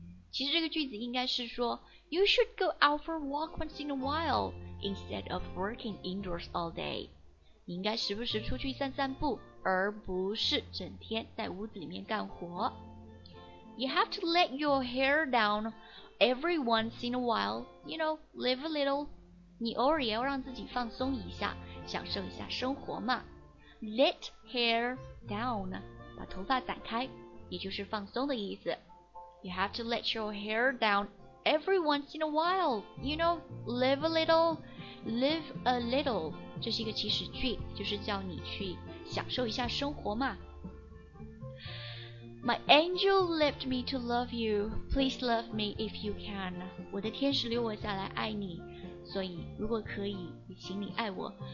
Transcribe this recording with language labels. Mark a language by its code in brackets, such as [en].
[zh] 其实这个句子应该是说 [en] You should go out for a walk once in a while, instead of working indoors all day. [zh] 你应该时不时出去散散步，而不是整天在屋子里面干活。 [en] You have to let your hair down every once in a while. You know, live a little. [zh] 你偶尔也要让自己放松一下，享受一下生活嘛。 Let hair down, 把头发展开，也就是放松的意思。 [en] You have to let your hair down every once in a while. You know, live a little. Live a little. [zh] 这是一个祈使句，就是叫你去享受一下生活嘛。 [en] My angel left me to love you. Please love me if you can. [zh] 我的天使留我下来爱你，所以如果可以，请你爱我。